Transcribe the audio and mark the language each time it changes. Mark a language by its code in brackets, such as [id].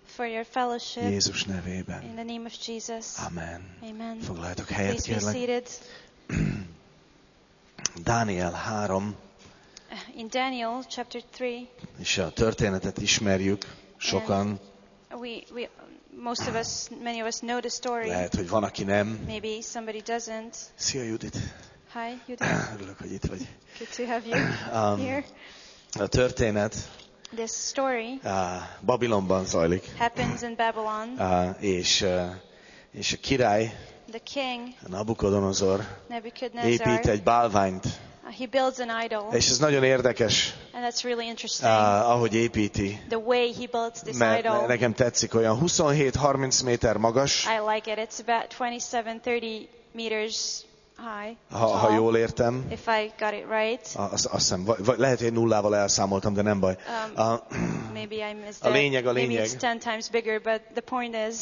[en] For your fellowship, [hu] Jézus nevében. [en] In the name of Jesus. [hu] Amen. [en] Amen. [hu] Foglaljatok helyet, kérlek. [en] Please be seated. [hu] Dániel 3. [en] In Daniel chapter 3. [hu] És a történetet ismerjük sokan. [en] We most of us, many of us know the story. [hu] Lehet, hogy van, aki nem. [en] Maybe somebody doesn't. [hu] Szia, Judit. [en] Hi, Judit. [hu] Örülök, hogy itt vagy. [en] Good to have you here. [hu] A történet. [en] This story [hu] Babilonban zajlik. [en] Happens in Babylon. [hu] És és a király, [en] the king, [hu] a Nabukodonozor, [en] Nebuchadnezzar, [hu] épít egy bálványt. [en] He builds an idol. [hu] És ez nagyon érdekes. [en] And that's really interesting. [hu] Ahogy építi. [en] The way he built this idol. [hu] Nekem tetszik, olyan 27-30 méter magas. [en] I like it. It's about 27-30 meters high. [hu] Ha jól értem. [en] If I got it right. [hu] Azt hiszem, lehet, hogy nullával elszámoltam, de nem baj. [en] Maybe I missed it. [hu] A lényeg. [en] Maybe it's 10 times bigger, but the point is.